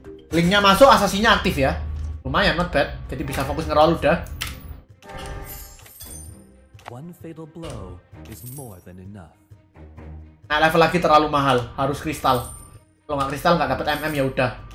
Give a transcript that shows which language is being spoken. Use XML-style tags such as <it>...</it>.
<id>Linknya masuk, asasinya aktif ya. Lumayan,</id> <en>not bad.</en> <id>Jadi bisa fokus ngeroll udah.</id> <en>One fatal blow is more than enough.</en> <id>Nah, level lagi terlalu mahal, harus kristal. Kalau nggak kristal nggak dapat MM ya udah.</id>